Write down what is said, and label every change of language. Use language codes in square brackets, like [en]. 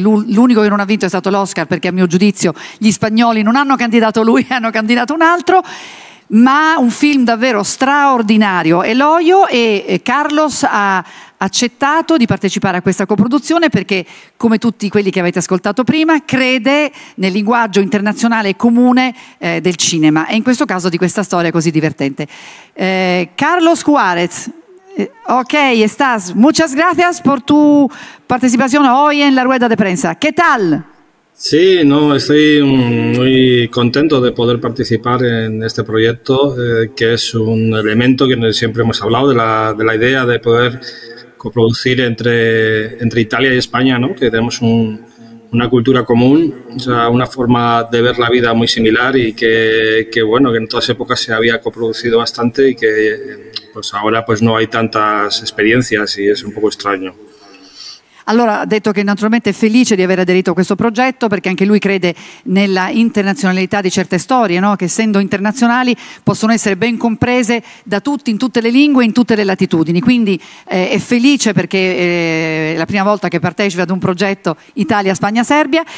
[it] L'unico che non ha vinto è stato l'Oscar, perché a mio giudizio gli spagnoli non hanno candidato lui, hanno candidato un altro, ma un film davvero straordinario, El Hoyo, e Carlos ha accettato di partecipare a questa coproduzione perché, come tutti quelli che avete ascoltato prima, crede nel linguaggio internazionale comune del cinema, e in questo caso di questa storia così divertente. [es] Carlos Juarez, ok, estás. Muchas gracias por tu participación hoy en la rueda de prensa. ¿Qué tal? Sí, no, estoy muy contento de poder participar en este proyecto, que es un elemento que siempre hemos hablado, de la idea de poder coproducir entre Italia y España, ¿no? Que tenemos una cultura común, o sea, una forma de ver la vida muy similar, y que en todas épocas se había coproducido bastante y que pues ahora pues no hay tantas experiencias y es un poco extraño. [it] Allora, ha detto che naturalmente è felice di aver aderito a questo progetto, perché anche lui crede nella internazionalità di certe storie, no? Che essendo internazionali possono essere ben comprese da tutti, in tutte le lingue e in tutte le latitudini. Quindi è felice perché è la prima volta che partecipa ad un progetto Italia-Spagna-Serbia.